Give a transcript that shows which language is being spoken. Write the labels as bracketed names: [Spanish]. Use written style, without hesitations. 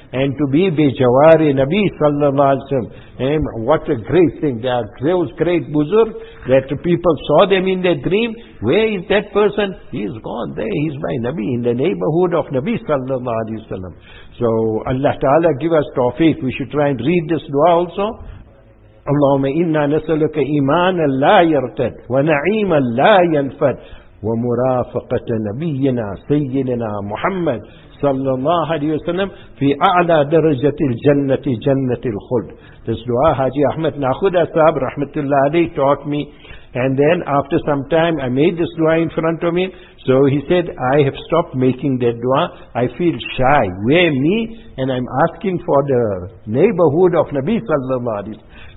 [English] And to be bejawari Nabi sallallahu alayhi wa sallam, what a great thing. There are those great buzurg that people saw them in their dream. Where is that person? He's gone there. He's my Nabi, in the neighborhood of Nabi sallallahu alayhi wa sallam. So Allah ta'ala give us tawfiq. We should try and read this dua also. [Arabic] Allahumma inna nasaluka imanan la yartad wa na'iman la yanfad ومرافقة نبينا سيدنا محمد صلى الله عليه وسلم في أعلى درجة الجنة جنة الخلد. [English] This dua Haji Ahmed Nakhuda Sahab Rahmatullah Ali taught me, and then after some time I made this dua in front of me. So he said, I have stopped making that dua, I feel shy, where me, and I'm asking for the neighborhood of Nabi sallallahu alayhi wa sallam.